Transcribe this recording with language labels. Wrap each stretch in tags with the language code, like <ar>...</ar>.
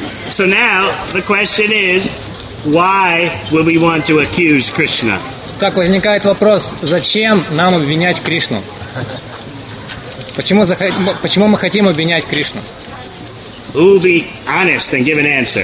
<en>So now the question is, why would we want to accuse Krishna?</en> <ru>Так возникает вопрос, зачем нам обвинять Кришну? Почему мы хотим обвинять Кришну?</ru> <en>Who'll be honest and give an answer?</en>